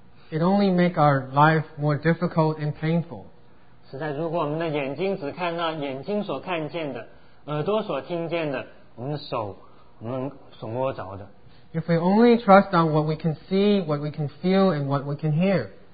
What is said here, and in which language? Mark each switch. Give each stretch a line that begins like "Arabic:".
English: It only makes our life more difficult and painful.
Chinese: 实在如果我们的眼睛只看那眼睛所看见的，耳朵所听见的，我们的手，我们所摸着的。
English: If we only trust on what we can see, what we can feel, and what we can hear,